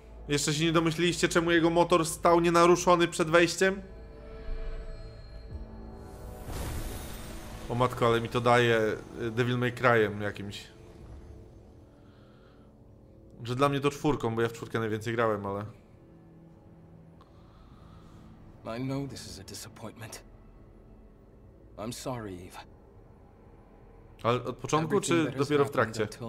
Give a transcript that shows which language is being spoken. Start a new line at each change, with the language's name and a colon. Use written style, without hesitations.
Polish: Jeszcze się nie domyśliliście, czemu jego motor stał nienaruszony przed wejściem? O matko, ale mi to daje Devil May Cry'em jakimś. Że dla mnie to 4, bo ja w 4 najwięcej grałem, ale...
English: I know this is a disappointment. I'm sorry, Eve.
Polish: Ale od początku, czy dopiero w trakcie?